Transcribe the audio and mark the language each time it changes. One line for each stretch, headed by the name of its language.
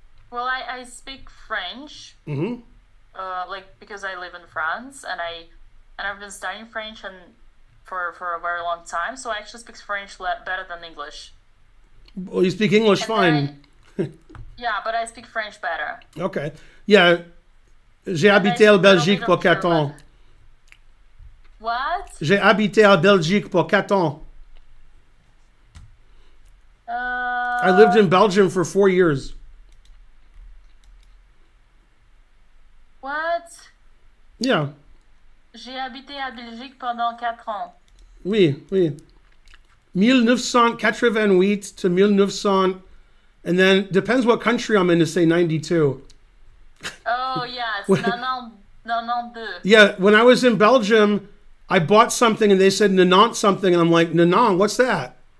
English: Well, I speak French. Mm-hmm. Like because I live in France and I've been studying French and for a very long time, so I actually speak French better than English. Well, you speak English and fine. But I speak French better. Okay, yeah,
French: j'ai habité en Belgique pour 4 ans.
English: What?
French: J'ai habité en Belgique pour 4 ans.
English: I lived in Belgium for 4 years. What? Yeah.
French: J'ai habité à Belgique pendant 4 ans. Oui, oui.
English: 1988 to 1900, and then depends what country I'm in to say 92. Oh yes, 92. Yeah, when I was in Belgium, I bought something and they said Nanant something, and I'm like, Nanant, what's that?